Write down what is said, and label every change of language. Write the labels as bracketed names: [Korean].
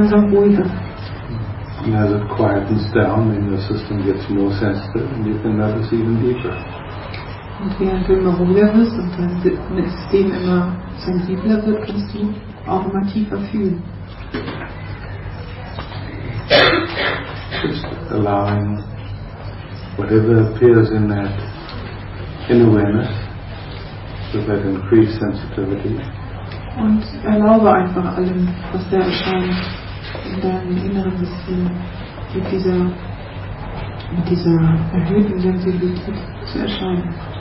[English] And as it quietens down, then your system gets more sensitive and you can notice even deeper. [German] Und während du immer ruhiger wirst und dein System immer sensibler wird, kannst du auch immer tiefer fühlen. [English] Just allowing whatever appears in that inner awareness with that increased sensitivity. [German] Und erlaube einfach allem, was da erscheint. In deinem Inneren ist mit dieser erhöhten Sensibilität zu erscheinen.